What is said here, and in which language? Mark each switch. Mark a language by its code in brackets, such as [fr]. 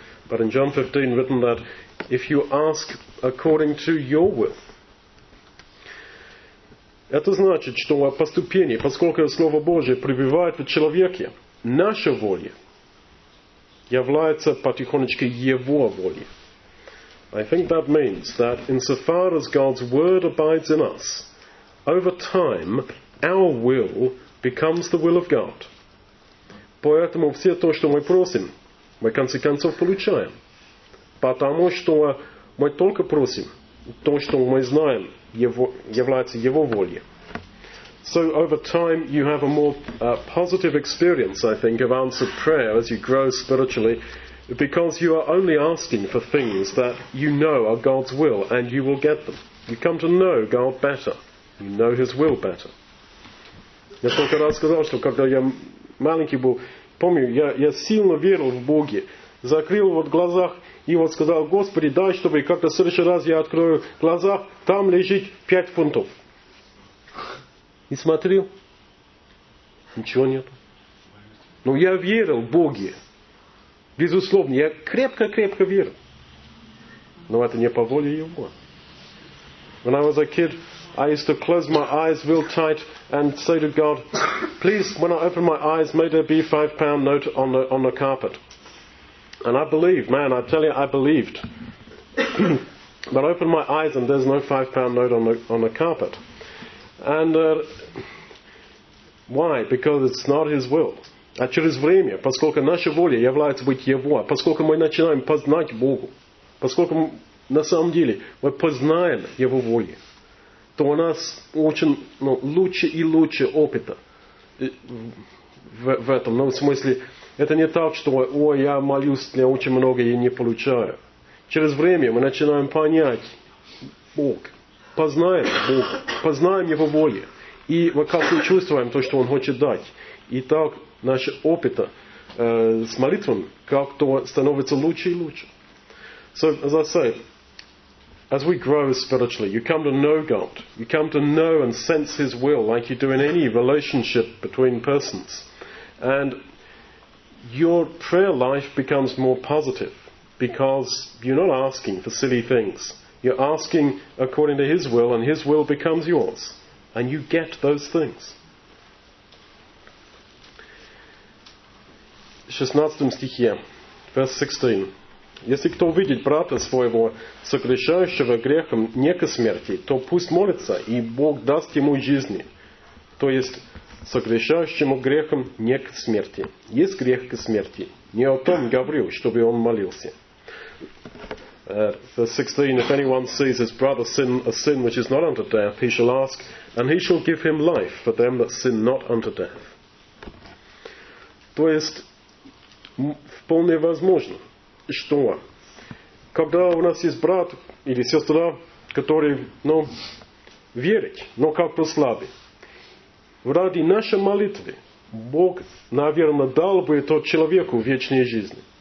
[en] But in John 15 written that, if you ask according to your will. [ru] Это значит, что поступение, поскольку Слово Божие пребывает в человеке, наша воля является потихонечку его волей. [en] I think that means that insofar as God's word abides in us, over time, our will becomes the will of God. [ru] Поэтому все то, что мы просим, мы в конце концов получаем. Потому что мы только просим то, что мы знаем, является его волей. [en] So over time you have a more positive experience, I think, of answered prayer as you grow spiritually, because you are only asking for things that you know are God's will, and you will get them. You come to know God better. You know his will better. [ru] Я только раз сказал, что когда я маленький был, помню, я сильно верил в Бога, закрыл вот глаза и вот сказал, Господи, дай, чтобы как-то в следующий раз я открою глаза, там лежит 5 фунтов. И смотрел, ничего нет. Но я верил в Боге. Безусловно, я крепко-крепко верил. Но это не по воле Его. [en] When I was a kid, I used to close my eyes real tight and say to God, please, when I open my eyes, may there be £5 note on the carpet. And I believed, man, I tell you, I believed. But I opened my eyes and there's no £5 note on the carpet. And why? Because it's not his will. [ru] А через время, поскольку наша воля является быть его, поскольку мы начинаем познать Бога, поскольку на самом деле мы познаем его волю, то у нас очень лучше и лучше опыта в этом. Но в смысле, это не так, что «Ой, я молюсь для очень много и не получаю». Через время мы начинаем понять Бога, познаем Бога, познаем Его воли. И мы как-то чувствуем то, что Он хочет дать. И так наши опыты с молитвами как-то становятся лучше и лучше. [en] So, as I say, as we grow spiritually, you come to know God. You come to know and sense His will like you do in any relationship between persons. And your prayer life becomes more positive because you're not asking for silly things. You're asking according to His will, and His will becomes yours. And you get those things. [ru] 16 стихе, [en] verse 16. [ru] Если кто видит брата своего, согрешающего грехом не ко смерти, то пусть молится, и Бог даст ему жизни. То есть, согрешающему грехом не ко смерти. Есть грех ко смерти. Не о том говорил, чтобы он молился. [en] Verse 16. If anyone sees his brother sin a sin which is not unto death, he shall ask, and he shall give him life for them that sin not unto death. [ru] То есть, вполне возможно, что когда у нас есть брат или сестра, который, ну, верит, но как-то слабый, ради нашей молитвы Бог, наверное, дал бы тот человеку вечную жизнь.